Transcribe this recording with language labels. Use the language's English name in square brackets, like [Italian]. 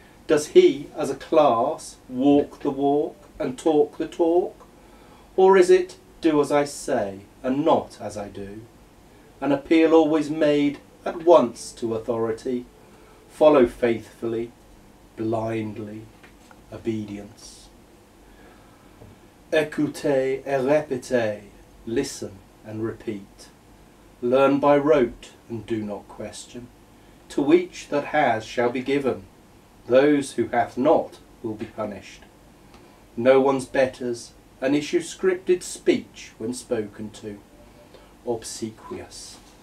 [English] Does he, as a class, walk the walk and talk the talk? Or is it do as I say and not as I do? An appeal always made at once to authority. Follow faithfully, blindly, obedience. [French] Écoutez et répétez, [English] listen and repeat. Learn by rote and do not question. To each that has shall be given. Those who hath not will be punished. No one's betters, an issue scripted speech when spoken to. Obsequious.